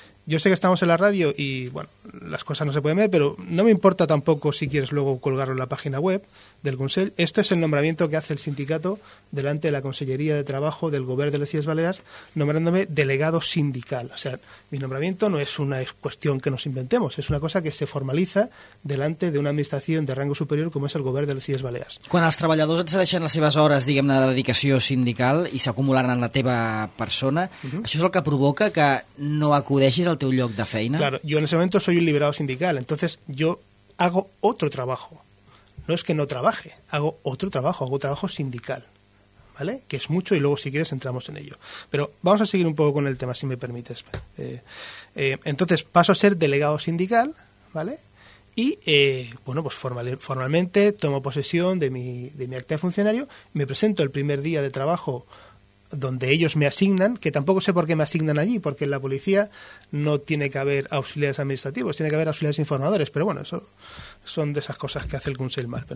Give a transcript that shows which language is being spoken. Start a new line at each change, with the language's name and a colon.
Spanish: Yo sé que estamos en la radio y, bueno, las cosas no se pueden ver, pero no me importa tampoco si quieres luego colgarlo en la página web del Consell. Esto es el nombramiento que hace el sindicato delante de la Consellería de Trabajo del Gobierno de las Islas Baleares, nombrándome delegado sindical. O sea, mi nombramiento no es una cuestión que nos inventemos, es una cosa que se formaliza delante de una administración de rango superior como es el Gobierno de las Islas Baleares.
Catalan: Quan els treballadors et cedeixen les seves hores, diguem-ne, de dedicació sindical i s'acumularan en la teva persona, això és el que provoca que no acudeixis al teu lloc de feina?
Spanish: Claro, yo en ese momento soy un liberado sindical, entonces yo hago otro trabajo. No es que no trabaje, hago trabajo sindical, ¿vale? Que es mucho y luego si quieres entramos en ello. Pero vamos a seguir un poco con el tema, si me permites. Entonces paso a ser delegado sindical, ¿vale? Y, bueno, pues formalmente tomo posesión de mi acta de funcionario, me presento el primer día de trabajo donde ellos me asignan, que tampoco sé por qué me asignan allí, porque en la policía no tiene que haber auxiliares administrativos, tiene que haber auxiliares informadores, pero bueno, eso son de esas cosas que hace el Consell mal.